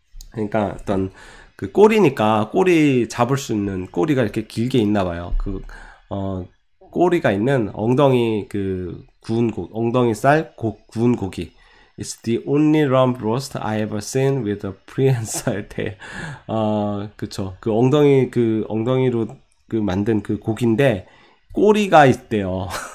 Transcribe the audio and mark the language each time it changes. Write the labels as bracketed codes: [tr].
[ko] 그러니까 어떤 그 꼬리니까 꼬리 잡을 수 있는 꼬리가 이렇게 길게 있나 봐요. 그 꼬리가 있는 엉덩이 그 구운 고 엉덩이 살 고 구운 고기. [en] It's the only rump roast I ever seen with a prehensile tail. [ko] 그렇죠. 엉덩이로 만든 그 고기인데 꼬리가 있대요.